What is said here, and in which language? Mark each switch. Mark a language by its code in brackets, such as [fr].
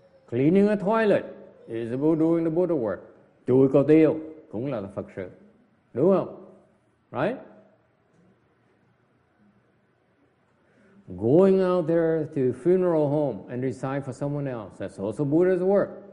[en] Cleaning a toilet is about doing the Buddha work. [vi] Chùi cầu tiêu cũng là Phật sự, đúng không? [en] Right? Going out there to funeral home and recite for someone else, that's also Buddha's work.